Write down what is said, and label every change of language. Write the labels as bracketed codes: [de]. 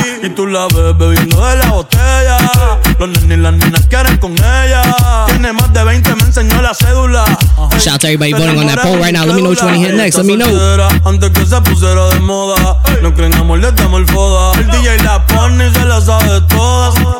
[es] Y tú la ves bebiendo de la botella. Los nenes y las nenas quieren con ella. Tiene más de 20, me enseñó la cédula. [en] Shout out to everybody voting on that poll right now. Let me know which one he hit next. Let me know. [es] Antes que se pusiera de moda. No creen amor, le damos el foda. El DJ la pone y se la sabe toda.